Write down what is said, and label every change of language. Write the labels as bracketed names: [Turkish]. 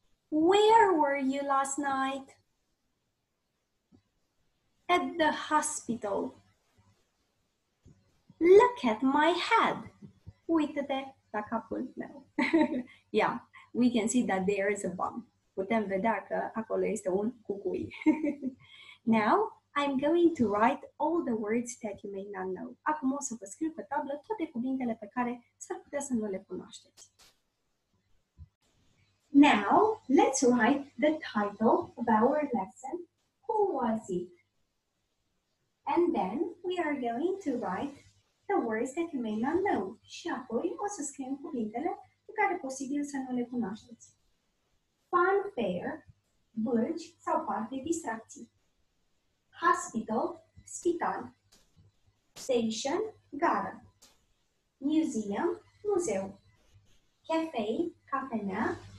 [English] Where were you last night? At the hospital. Look at my head. [Romanian] Uită-te la capul meu. [English] Yeah, we can see that there is a bum. [Romanian] Putem vedea că acolo este un cucui. [English] Now, I'm going to write all the words that you may not know. [Romanian] Acum o să vă scriu pe tablă toate cuvintele pe care s-ar putea să nu le cunoașteți. [English] Now, let's write the title of our lesson, Who Was It? And then, we are going to write the words that you may not know. [Romanian] Și apoi o să scriem cuvintele pe care posibil să nu le cunoașteți. Fun fair, bulgi sau parte distracții. Hospital, spital. Station, gara. Museum, muzeu. Cafe, cafenea.